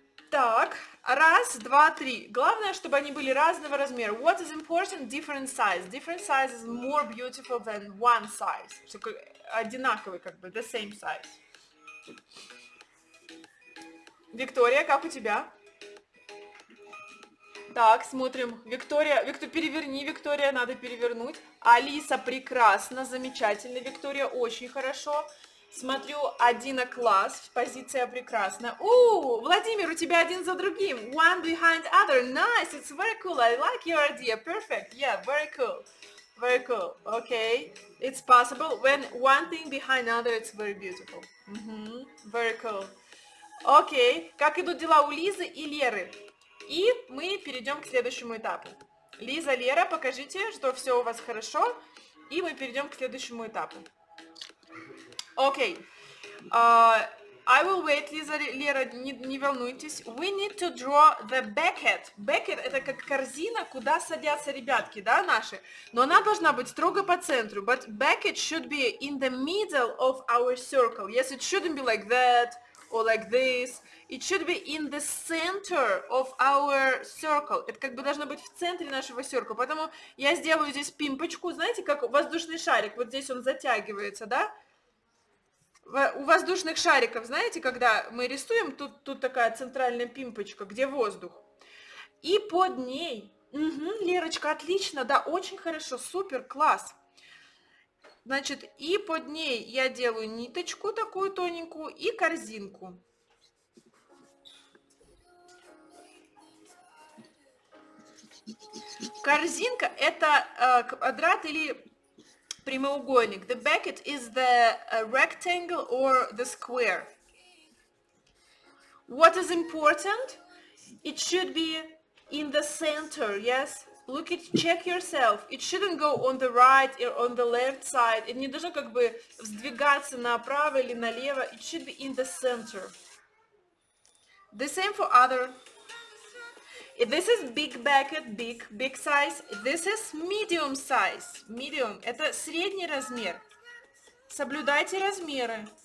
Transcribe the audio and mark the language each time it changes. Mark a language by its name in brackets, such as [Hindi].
[Russian] Так, раз, два, три, главное, чтобы они были разного размера. [English] What is important? Different size. Different size is more beautiful than one size. [Russian] Одинаковый, как бы, [English] the same size. [Russian] Виктория, как у тебя? Так, смотрим. Виктория, переверни, Виктория, надо перевернуть. Алиса, прекрасно, замечательно. Виктория, очень хорошо. Смотрю, Адина, класс, позиция прекрасная. Владимир, у тебя один за другим. [English] One behind other. Nice, it's very cool. I like your idea. Perfect. Yeah, very cool. Very cool. Okay. It's possible. When one thing behind another, it's very beautiful. Mm-hmm. Very cool. [Russian] Окей, как идут дела у Лизы и Леры? И мы перейдем к следующему этапу. Лиза, Лера, покажите, что все у вас хорошо, и мы перейдем к следующему этапу. Окей, [English] I will wait, [Russian] Лиза, Лера, не волнуйтесь. [English] We need to draw the bucket. [Russian] Bucket – это как корзина, куда садятся ребятки, да, наши? Но она должна быть строго по центру. [English] But bucket should be in the middle of our circle. Yes, it shouldn't be like that. Or like this. It should be in the center of our circle. [Russian] Это как бы должно быть в центре нашего circle. Поэтому я сделаю здесь пимпочку. Знаете, как воздушный шарик. Вот здесь он затягивается, да? У воздушных шариков, знаете, когда мы рисуем, тут такая центральная пимпочка, где воздух. И под ней... Угу, Лерочка, отлично, да, очень хорошо, супер, класс. Значит, и под ней я делаю ниточку такую тоненькую и корзинку. Корзинка – это квадрат или прямоугольник. [English] The bucket is the rectangle or the square. What is important? It should be in the center, yes? Look at, check yourself. It shouldn't go on the right or on the left side. [Russian] Это не должно как бы сдвигаться направо или налево. [English] It should be in the center. The same for other. If this is big bucket, big size. This is medium size. Medium. [Russian] Это средний размер. Соблюдайте размеры.